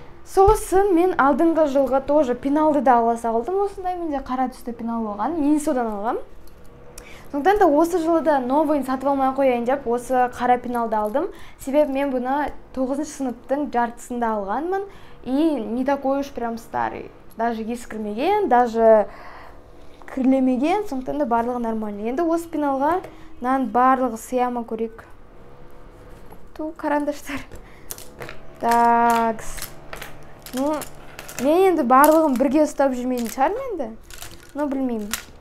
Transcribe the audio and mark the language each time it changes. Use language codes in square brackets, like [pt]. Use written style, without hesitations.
[kk] Сосын мен алдыңғы жылғы тоже пеналды да ала салдым. Осындай менде қара түсті пенал болған, мен содан алғам. Сондықтан да осы жылы да новыйын сатып алмай қояйын деп осы қара пеналды алдым. Себебі мен бұны 9-шы сыныптың жартысында алғанмын. [ru] И не такой уж прям старый. [kk] Даже ескірмеген, даже кірлемеген. Сондықтан да барлығы нормальный. Енді осы пеналға нан барлығы сияма көрек. Ту, карандаштар. Такс. Ну, мен енді барлығын бірге ұстап жүрмейін шығармын енді. Ну, білмеймін.